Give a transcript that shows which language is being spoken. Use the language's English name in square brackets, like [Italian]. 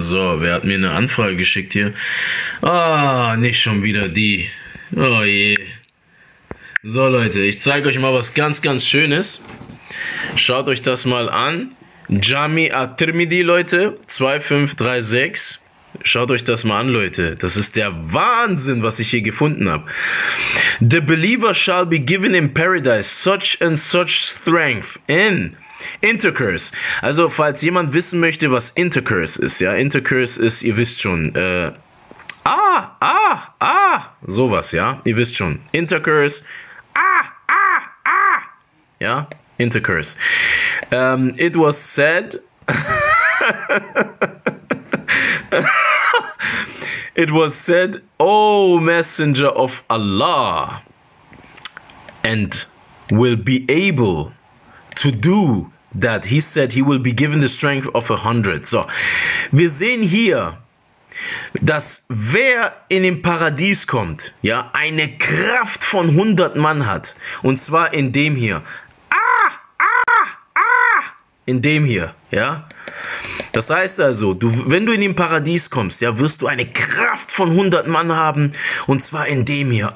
[German] So, wer hat mir eine Anfrage geschickt hier? Ah, nicht schon wieder die. Oh je. So, Leute, ich zeige euch mal was ganz, ganz Schönes. Schaut euch das mal an. Jami At-Tirmidhi, Leute. 2536. Schaut euch das mal an, Leute. Das ist der Wahnsinn, was ich hier gefunden habe. [English] The believer shall be given in paradise such and such strength in intercourse. [German] Also, falls jemand wissen möchte, was intercourse ist, ja. Intercourse ist, ihr wisst schon, sowas, ja. Ihr wisst schon. Intercourse. [English] Ja, intercourse. It was said... It was said, O messenger of Allah, and will be able to do that. He said, he will be given the strength of 100. [German] So, wir sehen hier, dass wer in den Paradies kommt, ja, eine Kraft von 100 Mann hat. Und zwar in dem hier. Ah, ah, ah, in dem hier, ja. Das heißt also, du, wenn du in den Paradies kommst, ja, wirst du eine Kraft von 100 Mann haben, und zwar in dem hier.